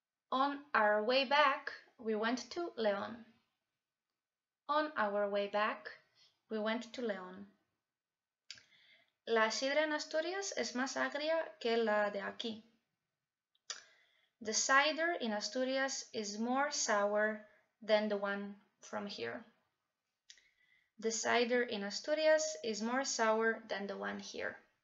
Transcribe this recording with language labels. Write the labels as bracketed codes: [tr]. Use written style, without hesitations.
[en] On our way back, we went to León. On our way back, we went to León. [es] La sidra en Asturias es más agria que la de aquí. [en] The cider in Asturias is more sour than the one from here. The cider in Asturias is more sour than the one here.